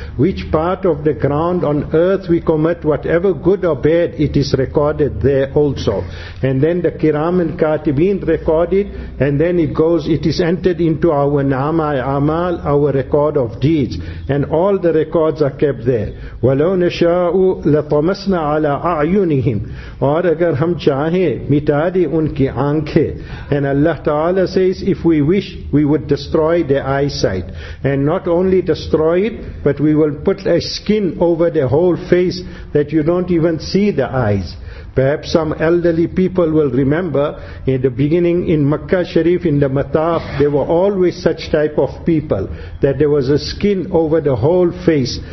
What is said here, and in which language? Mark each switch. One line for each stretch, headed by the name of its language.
English: Which part of the ground on earth we commit, whatever good or bad, it is recorded there also. And then the kiram and katibin record it, and then it is entered into our nama amal, our record of deeds, and all the records are kept there.
Arabic: وَلَوْ نَشَاءُ لَطَمَسْنَا عَلَىٰ أَعْيُنِهِمْ
Urdu: اور اگر ہم چاہیں مٹا دے ان کی آنکھیں.
English: And Allah Ta'ala says, if we wish, we would destroy their eyesight. And not only destroy it, but we will put a skin over their whole face, that you don't even see the eyes. Perhaps some elderly people will remember in the beginning in Makkah Sharif, in the Mataf, there were always such type of people that there was a skin over the whole face.